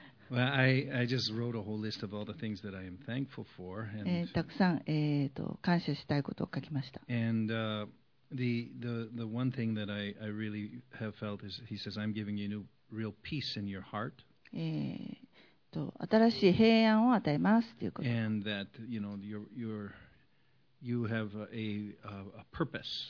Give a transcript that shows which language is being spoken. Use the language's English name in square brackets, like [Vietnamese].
[English] Well, I just wrote a whole list of all the things that I am thankful for. [Japanese] たくさん、感謝したいことを書きました。 [English] And, the one thing that I really have felt is he says, I'm giving you new, real peace in your heart. [Japanese] 新しい平安を与えますということ。 [English] And that, you know, you have a purpose.